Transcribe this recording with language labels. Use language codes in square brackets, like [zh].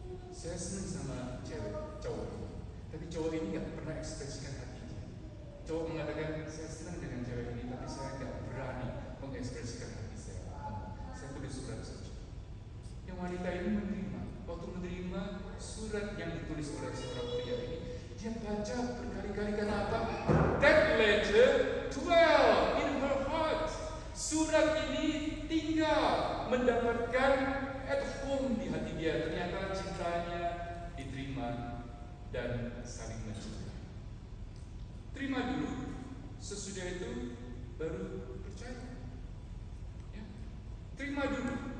[id] Saya senang sama cewek, cowok ini, tapi cowok ini gak pernah ekspresikan hatinya. Cowok mengatakan, saya senang dengan cewek ini, tapi saya gak berani mengekspresikan hati saya. Saya tulis surat saja. Yang wanita ini menerima. Waktu menerima surat yang ditulis oleh seorang pria ini, dia baca berkali-kali. Kenapa? [en] That letter dwell in her heart. [id] Surat ini tinggal mendapatkan [en] at home [id] di hati dia. Ternyata cintanya diterima dan saling mencintai. Terima dulu, sesudah itu baru percaya. Ya. Terima dulu.